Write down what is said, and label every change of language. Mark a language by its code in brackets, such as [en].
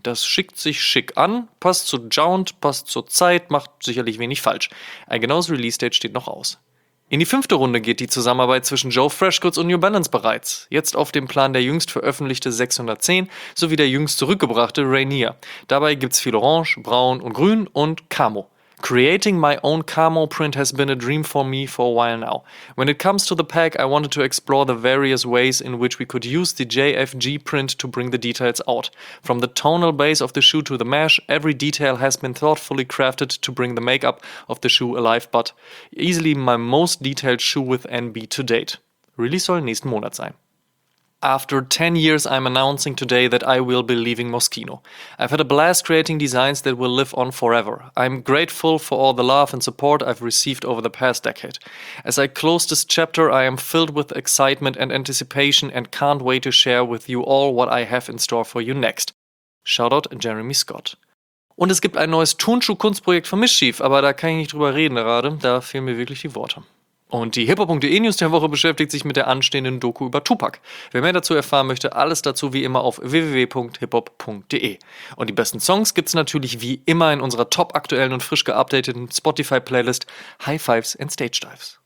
[de] Das schickt sich schick an, passt zu Jaune, passt zur Zeit, macht sicherlich wenig falsch. Ein genaues Release-Date steht noch aus. In die fünfte Runde geht die Zusammenarbeit zwischen Joe Freshgoods und New Balance bereits. Jetzt auf dem Plan der jüngst veröffentlichte 610 sowie der jüngst zurückgebrachte Rainier. Dabei gibt's viel Orange, Braun und Grün und Camo. [en] Creating my own camo print has been a dream for me for a while now. When it comes to the pack, I wanted to explore the various ways in which we could use the JFG print to bring the details out. From the tonal base of the shoe to the mesh, every detail has been thoughtfully crafted to bring the makeup of the shoe alive, but easily my most detailed shoe with NB to date. [de] Release soll nächsten Monat sein. [en] After 10 years, I'm announcing today that I will be leaving Moschino. I've had a blast creating designs that will live on forever. I'm grateful for all the love and support I've received over the past decade. As I close this chapter, I am filled with excitement and anticipation and can't wait to share with you all what I have in store for you next. Shoutout Jeremy Scott. [de] Und es gibt ein neues Turnschuh-Kunstprojekt von Mischief, aber da kann ich nicht drüber reden gerade, da fehlen mir wirklich die Worte. Und die hiphop.de-News der Woche beschäftigt sich mit der anstehenden Doku über Tupac. Wer mehr dazu erfahren möchte, alles dazu wie immer auf www.hiphop.de. Und die besten Songs gibt's natürlich wie immer in unserer topaktuellen und frisch geupdateten Spotify-Playlist High Fives and Stage Dives.